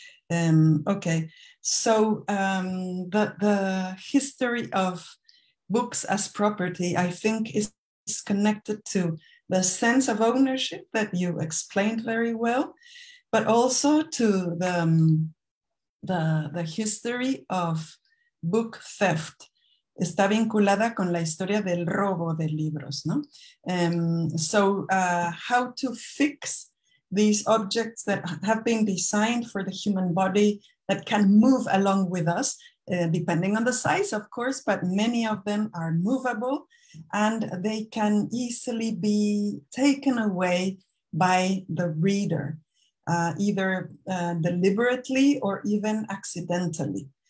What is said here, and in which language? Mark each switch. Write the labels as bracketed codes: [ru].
[en] Okay, so the history of books as property, I think, is connected to the sense of ownership that you explained very well, but also to the history of book theft. [es] Está vinculada con la historia del robo de libros, ¿no? [en] So how to fix these objects that have been designed for the human body that can move along with us, depending on the size, of course, but many of them are movable and they can easily be taken away by the reader, either deliberately or even accidentally.